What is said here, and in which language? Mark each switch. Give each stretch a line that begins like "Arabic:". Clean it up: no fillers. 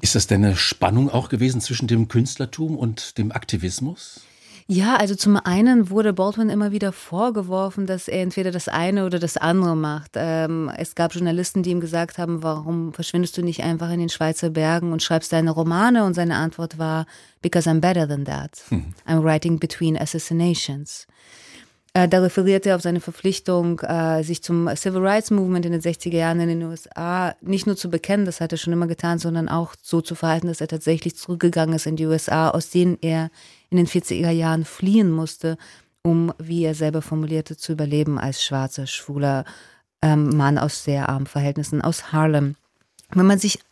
German: Ist das denn eine Spannung auch gewesen zwischen dem Künstlertum und dem Aktivismus? Ja, also zum einen wurde Baldwin immer wieder vorgeworfen, dass er entweder das eine oder das andere macht. Es gab Journalisten, die ihm gesagt haben, warum verschwindest du nicht einfach in den Schweizer Bergen und schreibst deine Romane? Und seine Antwort war,
English: because I'm better than that. I'm writing between assassinations.
German: Da referiert er auf seine Verpflichtung, sich zum Civil Rights Movement in den 60er Jahren in den USA nicht nur zu bekennen, das hat er schon immer getan, sondern auch so zu verhalten, dass er tatsächlich zurückgegangen ist in die USA, aus denen er in den 40er Jahren fliehen musste, um, wie er selber formulierte, zu überleben als schwarzer, schwuler Mann aus sehr armen Verhältnissen, aus Harlem. Wenn man sich